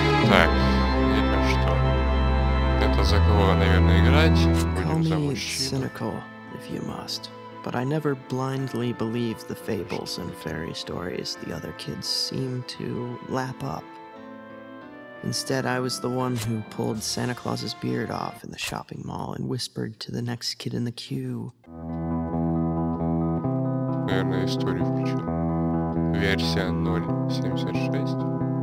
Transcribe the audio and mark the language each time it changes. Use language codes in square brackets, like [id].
[ru] Так, это что? Это за кого, наверное, играть? Будем за мужчину. [en] Cynical, if you must, but I never blindly believe the fables and fairy stories the other kids seem to lap up. Instead, I was the one who pulled Santa Claus's beard off in the shopping mall and whispered to the next kid in the queue. [ru] Наверное, историю включу. Версия 0.76.